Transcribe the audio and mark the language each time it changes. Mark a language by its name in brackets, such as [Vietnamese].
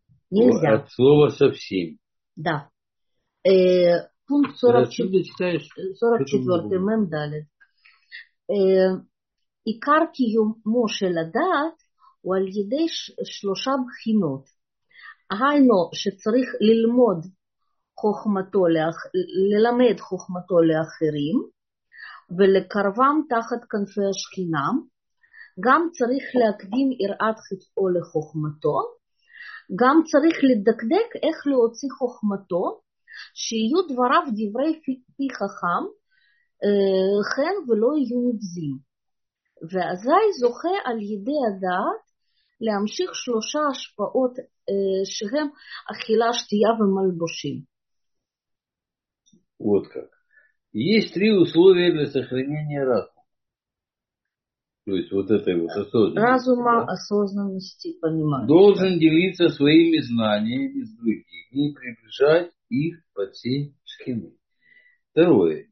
[Russian] Нельзя. От слова совсем. Да. Пункт Ты отсюда читаешь 44 этому мем далее. [Hebrew] Икар кию моше ладат у аль едей шлоша бхинот. Айно шецарих ללמוד חוכמתו ללמד חוכמתו לאחרים ולקרבם תחת כנפי השכינה. גם צריך להקדים יראת חטאו לחוכמתו. גם צריך לדקדק איך להוציא חוכמתו, שיהיו דבריו דברי פי חכם, חן ולא יהיו נבזים. ואזי זוכה על ידי הדעת להמשיך שלושה השפעות שהם אכילה, שתייה ומלבושים. [Russian] Вот как. Есть три условия для сохранения разума. То есть вот этой вот осознанности. Разума, Да? осознанности, понимания. Должен делиться своими знаниями с другими и приближать их под сень шхины. Второе.